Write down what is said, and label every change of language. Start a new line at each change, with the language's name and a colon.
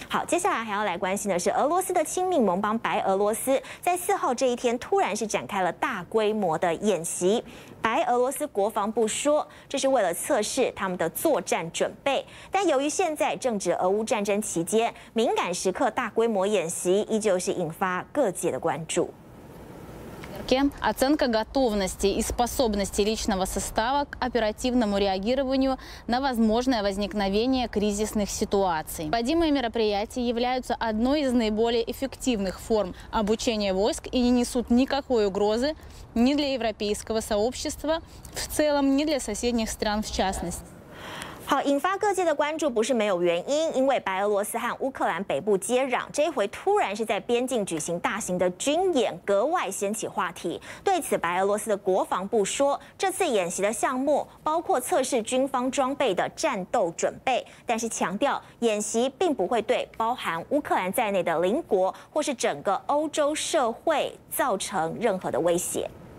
Chinese: 好，接下来还要来关心的是俄罗斯的亲密盟邦白俄罗斯，在四号这一天突然是展开了大规模的演习。白俄罗斯国防部说，这是为了测试他们的作战准备。但由于现在正值俄乌战争期间，敏感时刻大规模演习，依旧是引发各界的关注。
Russian: Оценка готовности и способности личного состава к оперативному реагированию на возможное возникновение кризисных ситуаций. Проводимые мероприятия являются одной из наиболее эффективных форм обучения войск и не несут никакой угрозы ни для европейского сообщества в целом, ни для соседних стран в частности.
Chinese: 好，引发各界的关注不是没有原因，因为白俄罗斯和乌克兰北部接壤，这一回突然是在边境举行大型的军演，格外掀起话题。对此，白俄罗斯的国防部说，这次演习的项目包括测试军方装备的战斗准备，但是强调演习并不会对包含乌克兰在内的邻国或是整个欧洲社会造成任何的威胁。